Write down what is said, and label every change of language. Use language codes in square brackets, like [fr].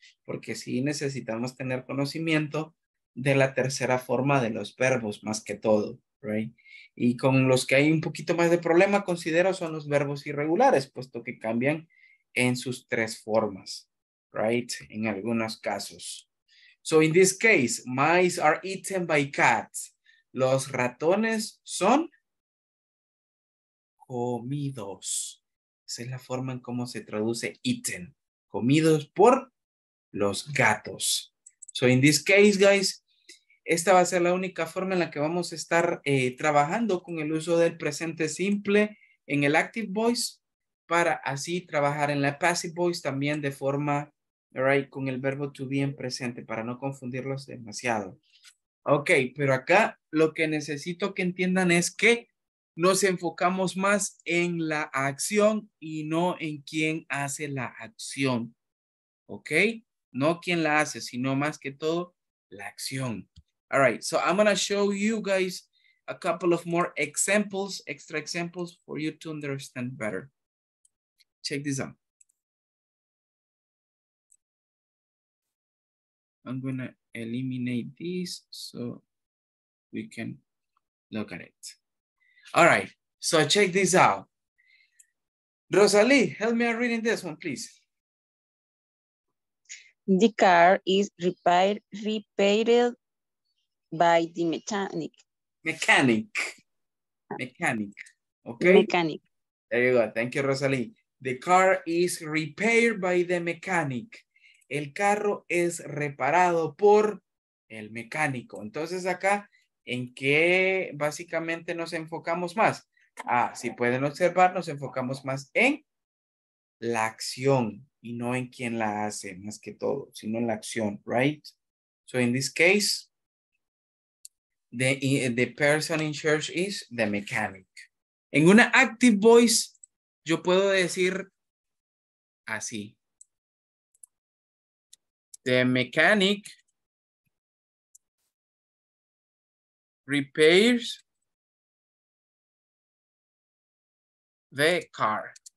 [es] Porque sí necesitamos tener conocimiento de la tercera forma de los verbos más que todo, right? Y con los que hay un poquito más de problema, considero, son los verbos irregulares, puesto que cambian en sus tres formas, right? En algunos casos. [en] So, in this case, mice are eaten by cats. [es] Los ratones son comidos. Esa es la forma en cómo se traduce eaten. Comidos por los gatos. [en] So, in this case, guys, [es] esta va a ser la única forma en la que vamos a estar trabajando con el uso del presente simple en el active voice para así trabajar en la passive voice también de forma, right, con el verbo to be en presente para no confundirlos demasiado. Ok, pero acá lo que necesito que entiendan es que nos enfocamos más en la acción y no en quién hace la acción. Ok, no quién la hace, sino más que todo la acción. [en] All right, so I'm going to show you guys a couple of more examples, extra examples for you to understand better. Check this out. I'm going to eliminate this so we can look at it. All right, so check this out. Rosalie, help me out reading this one, please. The car is repaired. By the mechanic. Okay. Mechanic. There you go. Thank you, Rosalie. The car is repaired by the mechanic. [es] El carro es reparado por el mecánico. Entonces acá, ¿en qué básicamente nos enfocamos más? Ah, si pueden observar, nos enfocamos más en la acción y no en quién la hace, más que todo, sino en la acción, right? [en] So in this case, the person in charge is the mechanic. [es] En una active voice, yo puedo decir así. [en] The mechanic repairs the car.